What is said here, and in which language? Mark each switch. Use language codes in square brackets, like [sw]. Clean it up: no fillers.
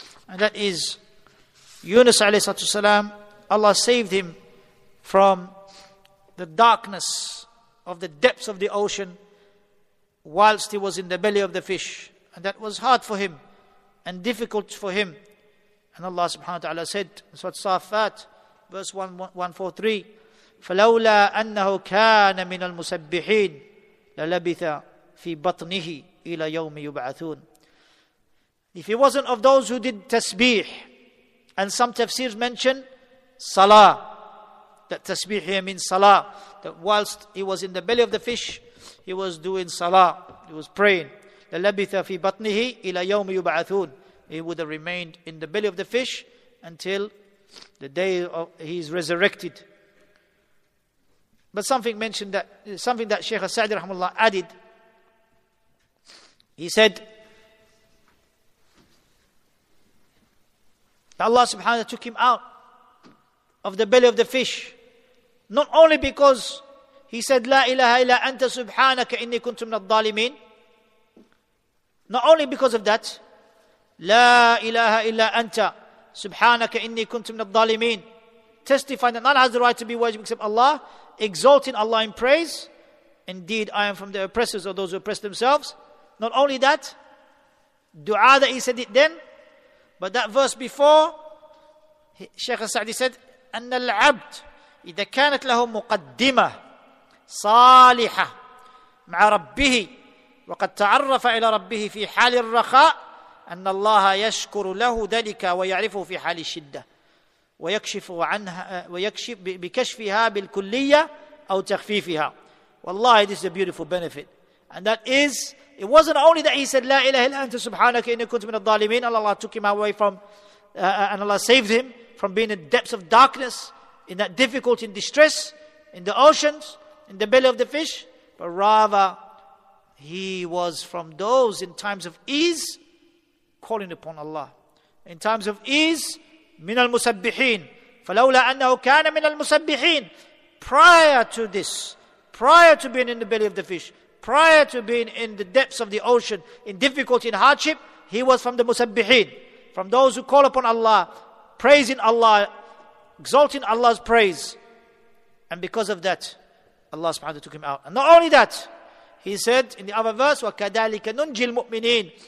[en] And that is, Yunus alayhi salatu wassalam, Allah saved him from the darkness of the depths of the ocean whilst he was in the belly of the fish. And that was hard for him and difficult for him. And Allah subhanahu wa ta'ala said in Surah Safat, verse 143, [ar] فَلَوْلَا أَنَّهُ كَانَ مِنَ الْمُسَبِّحِينَ لَلَبِثَ فِي بَطْنِهِ إِلَى يَوْمِ يُبْعَثُونَ. [en] If he wasn't of those who did tasbih, and some tafsirs mention salah, that tasbih here means salah, that whilst he was in the belly of the fish, he was doing salah, he was praying. [ar] لَلَبِثَ فِي بَطْنِهِ إِلَى يَوْمِ يُبْعَثُونَ. [en] He would have remained in the belly of the fish until the day of he is resurrected. But something that Shaykh al-Sa'di rahmullah added, he said, Allah subhanahu wa ta'ala took him out of the belly of the fish, not only because he said, [ar] La ilaha illa anta subhanaka inni kuntu min al-dhalimin. [en] Not only because of that, [ar] La ilaha illa anta subhanaka inni kuntu min al-dhalimin. [en] Testifying that none has the right to be worshipped except Allah, exalting Allah in praise. Indeed, I am from the oppressors of those who oppress themselves. Not only that, dua that he said it then, but that verse before, Shaykh al-Sa'di said, [ar] أن العبد إذا كانت له مقدمة صالحة مع ربه وقد تعرف إلى ربه في حال الرخاء أن الله يشكر له ذلك ويعرفه في حال الشدة ويكشف عنها ويكشف بكشفها بالكلية أو تخفيفها. [en] والله, this is a beautiful benefit. And that is, it wasn't only that he said [ar] لا إله إلا أنت سبحانك إني كنت من الظالمين, [en] Allah took him away from and Allah saved him from being in depths of darkness, in that difficulty and distress, in the oceans, in the belly of the fish. But rather, he was from those in times of ease, calling upon Allah. In times of ease, [ar] من المسبحين. فلولا أنه كان من المسبحين. [en] Prior to this, prior to being in the belly of the fish, prior to being in the depths of the ocean, in difficulty and hardship, he was from the مسبحين, from those who call upon Allah, praising Allah, exalting Allah's praise. And because of that, Allah subhanahu wa ta'ala took him out. And not only that, he said in the other verse, [ar] وَكَذَلِكَ نُنْجِي الْمُؤْمِنِينَ.